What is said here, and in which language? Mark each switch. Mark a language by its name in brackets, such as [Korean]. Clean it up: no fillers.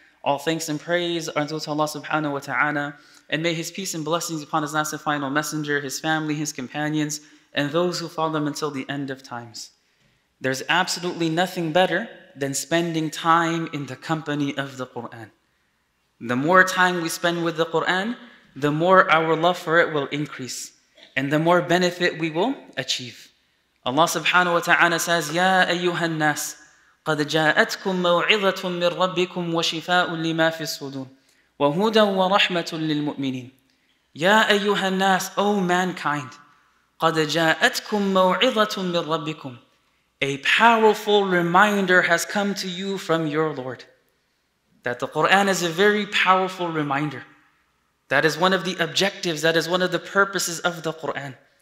[English] All thanks and praise are due to Allah subhanahu wa ta'ala, and may His peace and blessings upon His last and final messenger, His family, His companions, and those who follow them until the end of times. There's absolutely nothing better than spending time in the company of the Qur'an. The more time we spend with the Qur'an, the more our love for it will increase, and the more benefit we will achieve. [Arabic] Allah subhanahu wa ta'ala says, يَا أَيُّهَا النَّاسِ قَدْ جَاءَتْكُمْ مَوْعِظَةٌ مِّنْ رَبِّكُمْ وَشِفَاءٌ لِمَا فِي الصُّدُورِ وَهُدًى وَرَحْمَةٌ لِلْمُؤْمِنِينَ. يَا أَيُّهَا النَّاسِ, [English] O mankind, [Arabic] قَدْ جَاءَتْكُمْ مَوْعِظَةٌ مِّنْ رَبِّكُمْ, [English] a powerful reminder has come to you from your Lord. That the Qur'an is a very powerful reminder. That is one of the objectives, that is one of the purposes of the Qur'an.